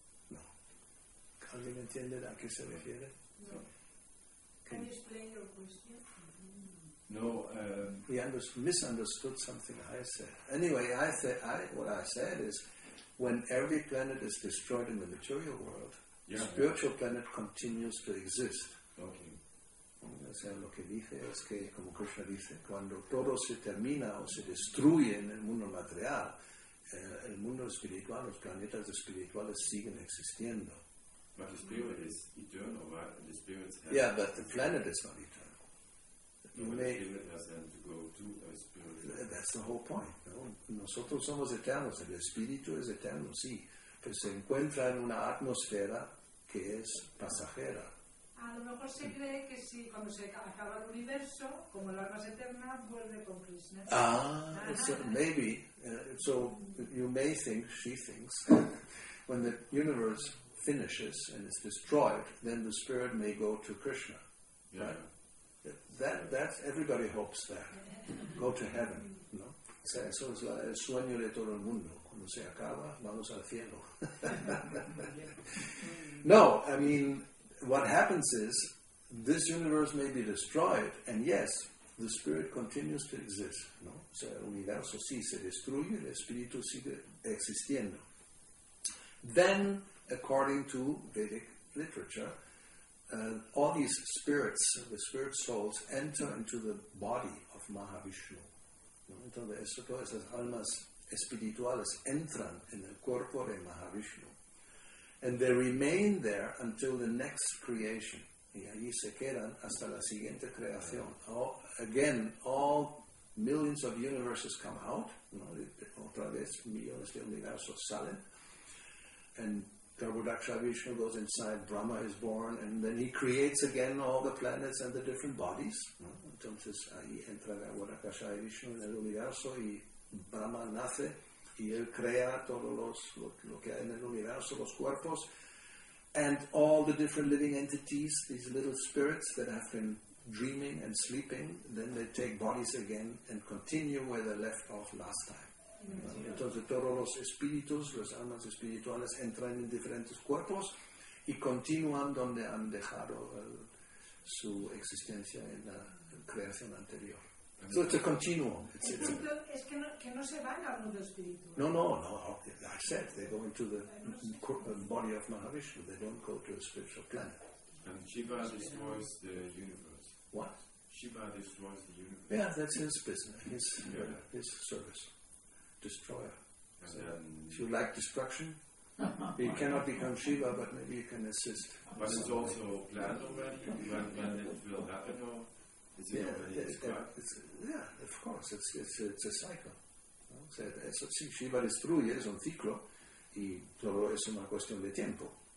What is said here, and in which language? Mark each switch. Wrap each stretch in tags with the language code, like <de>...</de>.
<es>No. ¿Alguien entiende a qué se refiere?</es> <en>No. Can you explain your question? No, he misunderstood something I said. Anyway, what I said is, when every planet is destroyed in the material world, yeah, spiritual planet continues to exist. Okay.</en> <es>O sea, lo que dije es que, como Krishna dice, cuando todo se termina o se destruye en el mundo material, el mundo espiritual, los planetas espirituales siguen existiendo.</es> <en>But the spirit is eternal, right? The spirit has. Yeah, but the planet is not eternal. That's the whole point. No?</en> <es>Nosotros somos eternos, el espíritu es eterno, sí. Pero se encuentra en una atmósfera que es pasajera. A lo mejor se cree que si cuando se acaba el universo, como el alma es eterna, vuelve con Krishna.</es> <en>Ah, so maybe. So you may think, she thinks, when the universe finishes and is destroyed, then the spirit may go to Krishna. Yeah. Right? That everybody hopes that. Go to heaven, ¿no?</en> <es>O sea, eso es el sueño de todo el mundo. Cuando se acaba, vamos al cielo.</es> <en>No, I mean, what happens is, this universe may be destroyed, and yes, the spirit continues to exist, ¿no?</en> <es>O sea, el universo sí se destruye, el espíritu sigue existiendo.</es> <en>Then, according to Vedic literature, all these spirits, the spirit souls, enter into the body of Mahavishnu. ¿No?</en> <es>Entonces, todas esas almas espirituales entran en el cuerpo de Mahavishnu.</es> <en>And they remain there until the next creation.</en> <es>Y allí se quedan hasta la siguiente creación.</es> <en>Again, all millions of universes come out. ¿No?</en> <es>Otra vez, millones de universos salen.</es> <en>And Garbhodaksha Vishnu goes inside, Brahma is born, and then he creates again all the planets and the different bodies.</en> <es>Entonces ahí entra Garbhodaksha Vishnu en el universo y Brahma nace y él crea todos los, lo que hay en el universo, los cuerpos,</es> <en>and all the different living entities, these little spirits that have been dreaming and sleeping, then they take bodies again and continue where they left off last time.</en> <es>Entonces todos los espíritus, las almas espirituales entran en diferentes cuerpos y continúan donde han dejado su existencia en la creación anterior.</es> <en>So it's a continuum.</en> <es>Es que no se van a un mundo espiritual.</es> <en>No, I said they go into the body of Mahavishnu. They don't go to a spiritual planet. And Shiva destroys the universe. What? Shiva destroys the universe. Yeah, that's his business. His service. Destroyer. So if you like destruction, you cannot become Shiva, but maybe you can assist. But it's also planned already. When it will happen, or is it already described? Yeah, of course. It's a cycle.</en> <es>So si Shiva destruye, es un ciclo, y todo es una cuestión de tiempo.</es>